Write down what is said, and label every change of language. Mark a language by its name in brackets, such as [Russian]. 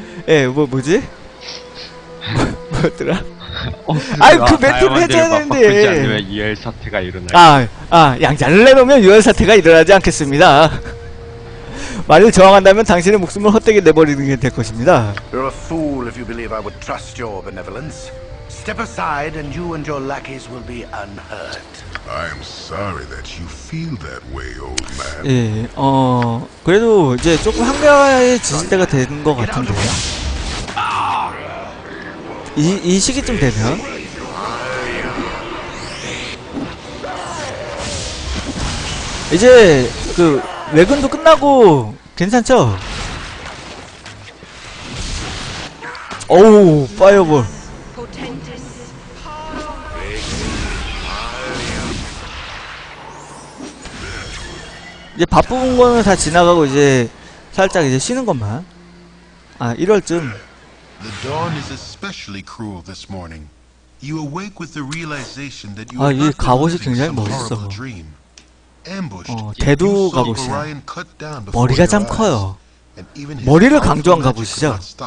[Korean] 예, 뭐지? 뭐였더라? 아유 그 멘트를 해줘야 되는데. 유혈 사태가 일어나. 아 양자를 내놓으면 유혈 사태가 일어나지 않겠습니다. 만일 저항한다면 당신의 목숨을 헛되게 내버리는 게 될 것입니다. [English] You're a fool if you believe I would trust your benevolence. Step aside and you and your lackeys will be unhurt. I'm sorry that you feel that way, old man. [Korean] 예, 어 그래도 이제 조금 한가해 지실 때가 된 것 같은데요. 이 시기쯤 되면. 이제 그 외근도 끝나고 괜찮죠? 어우 파이어볼. 이제 바쁜 거는 다 지나가고 이제 살짝 이제 쉬는 것만. 아 1월쯤. [English] The dawn is especially cruel this morning. You awake with the realization that you are not living in some horrible dream. [Korean] Ambushed, 어, 대두 갑옷이야. 머리가 참 커요. 머리를 강조한 갑옷이죠.